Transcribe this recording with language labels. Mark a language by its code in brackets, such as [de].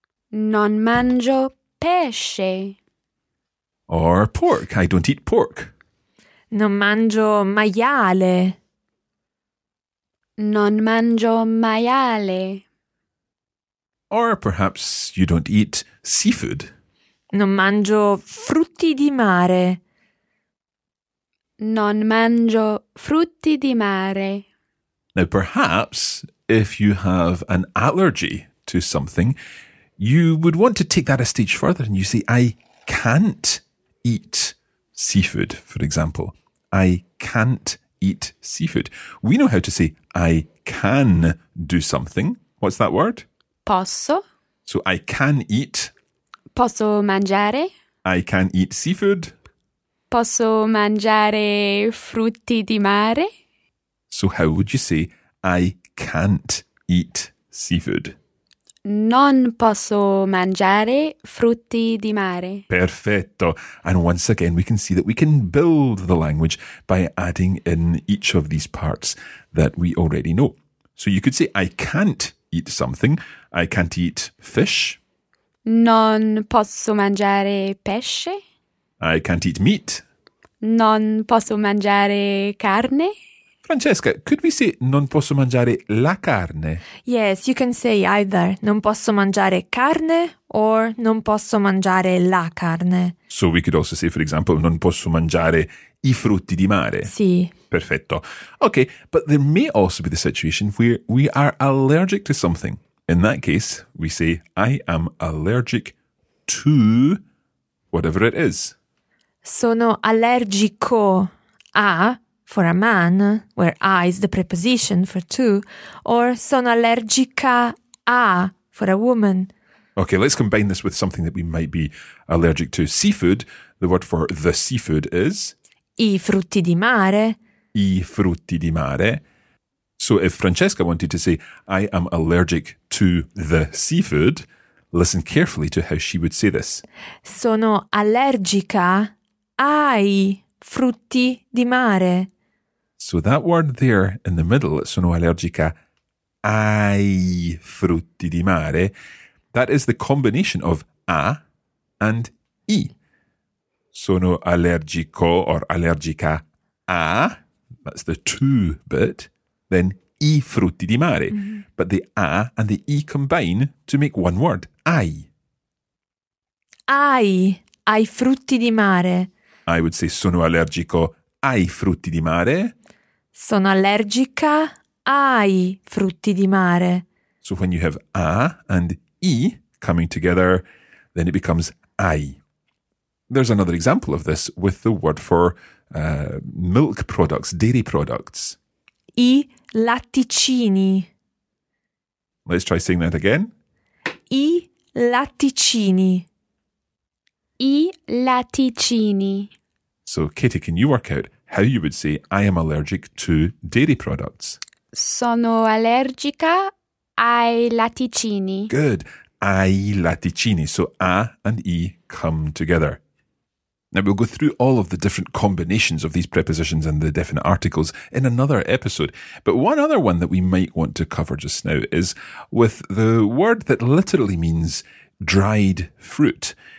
[it] Non mangio pesce. [en] Or pork. I don't eat pork. [it] Non mangio maiale. Non mangio maiale. [en] Or perhaps you don't eat seafood. [it] Non mangio frutti di mare. Non mangio frutti di mare. [en] Now perhaps if you have an allergy to something, you would want to take that a stage further and you say, I can't eat seafood, for example. I can't eat seafood. We know how to say, I can do something. What's that word? [it] Posso. [en] So I can eat. [it] Posso mangiare. [en] I can eat seafood. [it] Posso mangiare frutti di mare. [en] So how would you say, I can't eat seafood? [it] Non posso mangiare frutti di mare. Perfetto. [en] And once again, we can see that we can build the language by adding in each of these parts that we already know. So you could say, I can't eat something. I can't eat fish. [it] Non posso mangiare pesce. [en] I can't eat meat. [it] Non posso mangiare carne. [en] Francesca, could we say [it] non posso mangiare la carne? [en] Yes, you can say either [it] non posso mangiare carne or non posso mangiare la carne. [en] So we could also say, for example, [it] non posso mangiare i frutti di mare. Sì. Perfetto. [en] Okay, but there may also be the situation where we are allergic to something. In that case, we say I am allergic to whatever it is. Sono allergico a... for a man, where a is the preposition for to, or sono allergica a, for a woman. Okay, let's combine this with something that we might be allergic to. Seafood, the word for the seafood is? [it] I frutti di mare. I frutti di mare. [en] So if Francesca wanted to say, I am allergic to the seafood, listen carefully to how she would say this. [it] Sono allergica ai frutti di mare. [en] So that word there in the middle, [it] sono allergica ai frutti di mare, [en] that is the combination of a and i. Sono allergico or allergica a, that's the to bit, then i frutti di mare. Mm-hmm. But the a and the i combine to make one word, ai. [it] Ai, ai frutti di mare. [en] I would say [it] sono allergico ai frutti di mare. Sono allergica ai frutti di mare. [en] So when you have a and I coming together, then it becomes ai. There's another example of this with the word for milk products, dairy products. [it] I latticini. [en] Let's try saying that again. [it] I latticini. I latticini. [en] So Katie, can you work out how you would say, I am allergic to dairy products? [it] Sono allergica ai latticini. [en] Good. Ai latticini. So A and I come together. Now we'll go through all of the different combinations of these prepositions and the definite articles in another episode. But one other one that we might want to cover just now is with the word that literally means dried fruit.